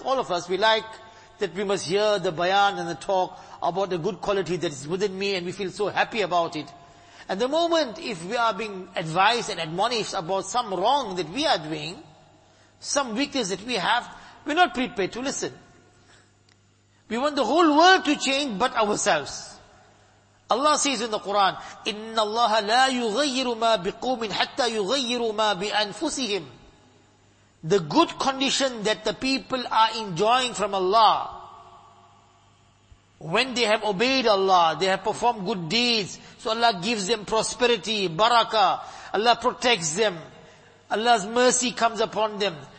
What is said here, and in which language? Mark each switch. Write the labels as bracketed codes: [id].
[en] All of us, we like that we must hear the bayan and the talk about the good quality that is within me, and we feel so happy about it. And the moment if we are being advised and admonished about some wrong that we are doing, some weakness that we have, we're not prepared to listen. We want the whole world to change but ourselves. Allah says in the Quran, [ar] إِنَّ اللَّهَ لَا يُغَيِّرُ مَا بِقُومٍ حَتَّى يُغَيِّرُ مَا بِأَنفُسِهِمْ. [en] The good condition that the people are enjoying from Allah, when they have obeyed Allah, they have performed good deeds, so Allah gives them prosperity, barakah, Allah protects them, Allah's mercy comes upon them.